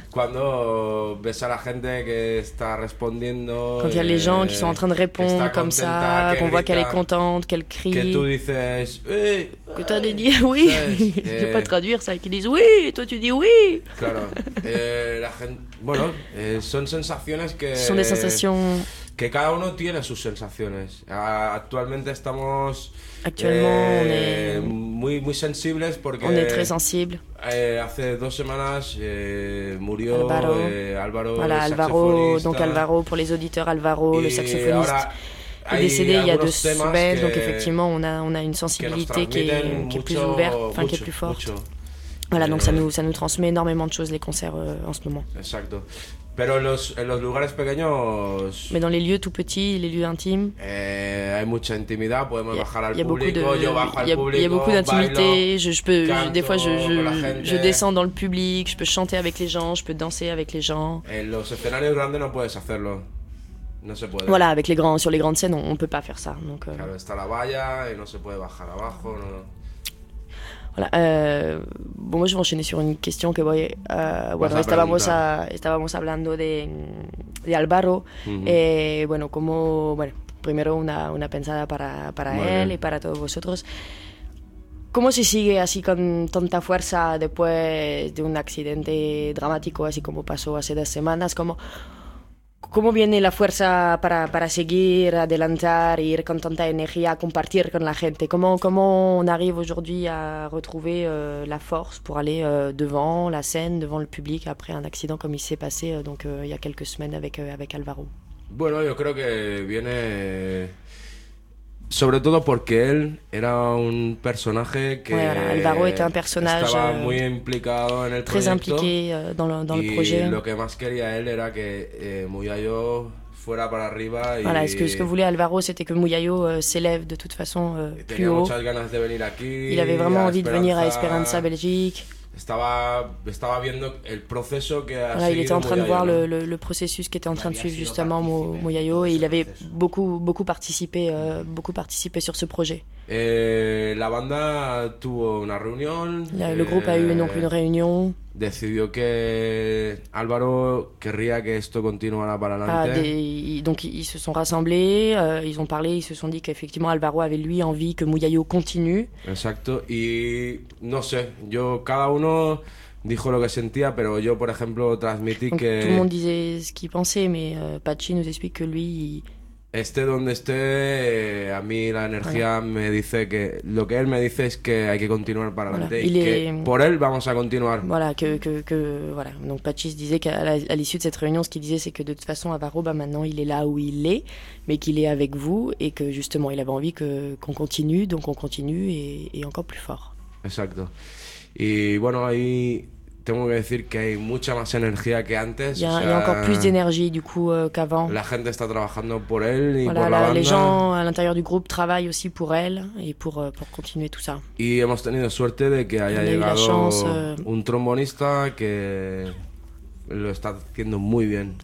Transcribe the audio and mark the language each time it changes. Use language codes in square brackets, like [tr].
[es] Cuando ves a la gente que está respondiendo... [fr] Cuando hay les gens qui sont en train de répondre comme ça, qu'on voit qu'elle est contente, qu'elle crie... [es] Que tú dices... Que tú dices [fr] oui. Je peux traduire ça, qu'ils disent oui, et toi tu dis oui. [es] Claro, la gente... Bueno, son sensaciones que... [fr] Son des sensations... [es] Que cada uno tiene sus sensaciones. Actualmente estamos... Actualmente... Muy, muy sensibles porque... [fr] On est très sensible. [es] Hace dos semanas murió Alvaro. Álvaro, [fr] voilà, [es] el saxofonista. [fr] Donc Alvaro, pour les auditeurs, Alvaro, le saxofoniste, est décédé il y a deux semaines. Donc effectivement, on a une sensibilité qui est plus ouverte, enfin qui est plus forte. Voilà, donc ça nous transmet énormément de choses, les concerts en ce moment. [es] Exacto. Pero en los lugares pequeños... [fr] Mais dans les lieux tout petits, les lieux intimes... [es] Hay mucha intimidad, podemos bajar al público, [fr] Il y a beaucoup d'intimité, je descends dans le public, je peux chanter avec les gens, je peux danser avec les gens... [es] En los escenarios grandes no puedes hacerlo, no se puede. [fr] Voilà, avec sur les grandes scènes, on peut pas faire ça, donc... [es] Claro, está la valla y no se puede bajar abajo, no... [fr] Voilà. Bon, moi je vais enchaîner sur une question [es] que bueno, estábamos hablando de Álvaro. [fr] Mm-hmm. [es] Et bueno, como bueno, primero una pensada para muy él bien. Y para todos vosotros. ¿Cómo se sigue así con tanta fuerza después de un accidente dramático así como pasó hace dos semanas? ¿Cómo viene la fuerza para seguir, adelantar, ir con tanta energía, compartir con la gente? ¿Cómo [fr] on arrive aujourd'hui à retrouver la force pour aller devant la scène, devant le public, après un accident comme il s'est passé il y a quelques semaines avec Álvaro? [es] Bueno, yo creo que viene sobre todo porque él era un personaje que [fr] Álvaro était un personnage [es] estaba muy implicado en el [fr] très impliqué dans le projet. [es] Lo que más quería él era que Muyayo fuera para arriba y [fr] voilà, ce que voulait Álvaro c'était que Muyayo s'élève de toute façon plus [es] tenía [fr] haut. [es] Muchas ganas de venir aquí. [fr] Il avait vraiment envie de venir à Esperanza Belgique. [es] Estaba viendo el proceso que ha seguido. [fr] Il était en train de voir le processus qui était en train de suivre justement Muyayo et il avait beaucoup participé sur ce projet. [es] La banda tuvo una reunión. [fr] Le groupe a eu donc une réunion. [es] Decidió que Álvaro querría que esto continuara para adelante. [fr] Donc ils se sont rassemblés, ils ont parlé, ils se sont dit qu'effectivement Álvaro avait lui envie que Muyayo continue. [es] Exacto, y no sé, yo cada uno dijo lo que sentía, pero yo por ejemplo transmití [fr] donc, que... Tout le monde disait ce qu'il pensait, mais Pachi nous explique que lui... [es] Esté donde esté, a mí la energía voilà. Me dice que lo que él me dice es que hay que continuar para adelante voilà. Y que por él vamos a continuar. [fr] Voilà, que voilà. Donc Pachis disait qu'à l'issue de cette réunion, ce qu'il disait c'est que de toute façon Álvaro maintenant il est là où il est, mais qu'il est avec vous et que justement il avait envie qu'on continue, donc on continue et encore plus fort. [es] Exacto. Y bueno, ahí tengo que decir que hay mucha más energía que antes. [fr] Il y a, [es] o sea, [fr] y a encore plus d'énergie du coup qu'avant. [es] La gente está trabajando por él y [fr] voilà, [es] por la banda. [fr] Les gens à l'intérieur du groupe travaillent aussi pour elle et pour continuer tout ça. [es] Y hemos tenido suerte de que haya llegado [fr] chance, [es] un trombonista que lo está haciendo muy bien.